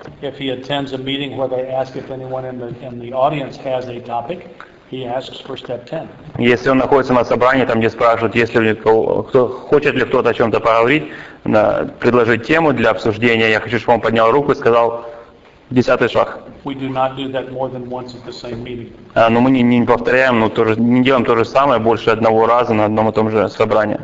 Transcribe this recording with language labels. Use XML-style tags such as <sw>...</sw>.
<en>If he attends a meeting where they ask if anyone in the audience has a topic, he asks for step 10.</en> <ru>Если он находится на собрании, там где спрашивают, если кто хочет ли кто-то о чем-то поговорить, предложить тему для обсуждения, я хочу, чтобы он поднял руку и сказал 10 шаг.</ru> <en>We do not do that more than once at the same meeting.</en> <ru>Но мы не повторяем, но тоже не делаем то же самое больше одного раза на одном и том же собрании.</ru>